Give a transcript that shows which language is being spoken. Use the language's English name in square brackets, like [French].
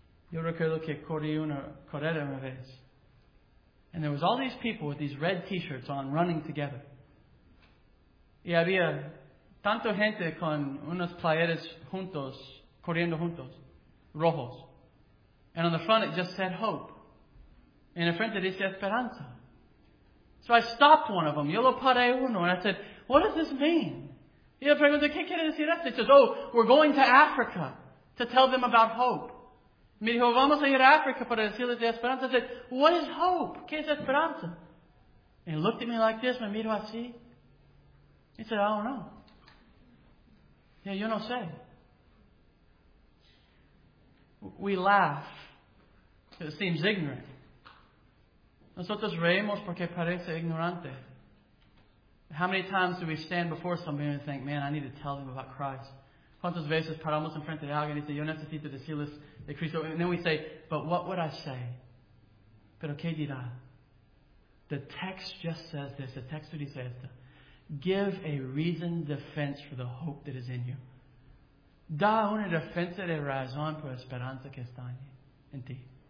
[Spanish] Yo recuerdo que corrí una carrera una vez. [English] And there was all these people with these red t-shirts on running together. [Spanish] Y había tanto gente con unas playeras juntos, corriendo juntos, rojos. [English] And on the front it just said hope. [Spanish] En el frente dice esperanza. [English] So I stopped one of them. [Spanish] Yo lo paré uno. [English] And I said, what does this mean? [Spanish] Y le pregunto, ¿qué quiere decir esto? [English] He says, oh, we're going to Africa to tell them about hope. [Spanish] Me dijo, vamos a ir a África para decirles de esperanza. [English] I said, what is hope? [Spanish] ¿Qué es esperanza? [English] And he looked at me like this, [Spanish] me miró así. [English] He said, I don't know. [Spanish] Yeah, yo no sé. [English] We laugh it seems ignorant. [Spanish] Nosotros reímos porque parece ignorante. [English] How many times do we stand before somebody and think, man, I need to tell them about Christ? [Spanish] ¿Cuántas veces paramos en frente de alguien y dice, yo necesito decirles de Cristo? [English] And then we say, but what would I say? [Spanish] Pero qué dirá? [English] The text just says this. The text would say esto. Give a reasoned defense for the hope that is in you. [Spanish] Da una defensa de razón por esperanza que está en ti.